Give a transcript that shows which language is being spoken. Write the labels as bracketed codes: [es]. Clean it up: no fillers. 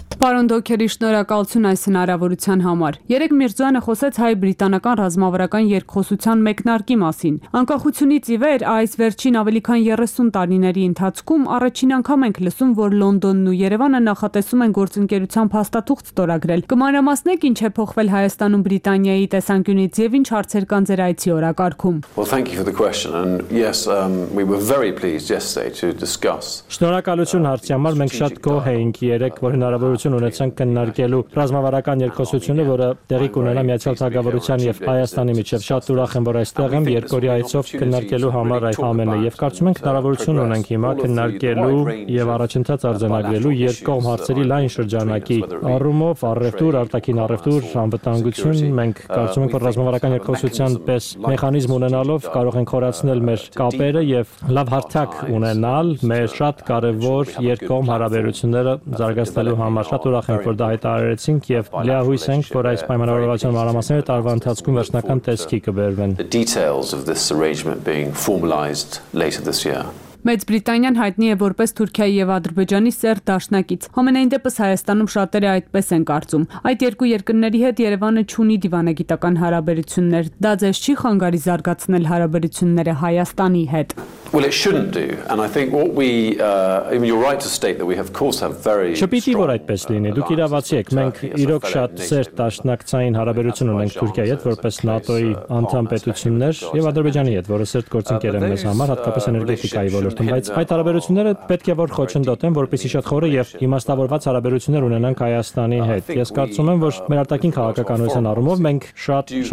[hy] Պարոն Դոքերի, շնորհակալություն այս հնարավորության համար։ Երեկ Միրզոյանը խոսեց հայ-բրիտանական ռազմավարական երկխոսության մեկնարկի մասին։ Անկախությունից ի վեր այս վերջին ավելի քան 30 տարիների ընթացքում առաջին անգամ ենք լսում, որ Լոնդոնն ու Երևանը նախատեսում են գործընկերության փաստաթուղթ ստորագրել։ Կմանրամասնեք, ինչ է փոխվել Հայաստանում Բրիտանիայի տեսանկյունից և ինչ հարցեր կան ձեր այցի օրակարգում։ [en] Well, thank you for the question. And yes, we were very pleased yesterday to discuss. [hy] Շնորհակալություն հարցի համար, մենք շատ գոհ ենք երեկ, որ հնարավորություն ունեցանք քննարկելու ռազմավարական երկխոսությունը, որը տեղի կունենա Միացյալ Թագավորության և Հայաստանի միջև։ Շատ ուրախ եմ, որ այստեղ եմ երկօրյա այցով քննարկելու համար այդ ամենը, և կարծում եմ հնարավորություն ունենք հիմա քննարկելու և առաջընթաց արձանագրելու երկկողմ հարցերի լայն շրջանակի առումով առևտուր, արտաքին առևտուր, անվտանգություն։ Մենք կարծում ենք, որ ռազմավարական երկխոսության պես մեխանիզմ ունենալով կարող ենք խորացնել մեր կապերը և լավ հարթակ ունենալ մեր շատ կարևոր երկկողմ հարաբերությունները զարգացնելու համար։ Շատ ուրախ ենք, որ դա հայտարարեցինք, և լիահույս ենք, որ այս պայմանավորվածության մանրամասները տարվա ընթացքում վերջնական տեսքի կբերվեն։ Մեծ Բրիտանիան հայտնի է որպես Թուրքիայի և Ադրբեջանի սերտ դաշնակից։ Համենայն դեպս Հայաստանում շատերը այդպես են կարծում։ Այդ երկու երկրների հետ Երևանը չունի դիվանագիտական հարաբերություններ։ Դա ձեզ չի խանգարի զարգացնել հարաբերությունները Հայաստանի հետ։ [en] Well, it shouldn't do. And I think what we, I mean, you're right to state that we have, of course, have very strong. [hy] Չպիտի որ այդպես լինի։ Դուք իրավացիք, մենք իրոք շատ սերտ դաշնակցային հարաբերություն ունենք Թուրքիայի հետ որպես ՆԱՏՕ-ի անդամ պետություններ և Ադրբեջանի հետ, որը սերտ գործընկեր է մեզ համար, հատկապես էներգետիկայի ոլորտում, բայց այդ հարաբերությունները պետք է որ խոչընդոտեն, որպեսզի շատ խորը և իմաստավորված հարաբերություններ ունենանք Հայաստանի հետ։ Ես կարծում եմ, որ մեր արտաքին քաղաքականության առումով մենք շատ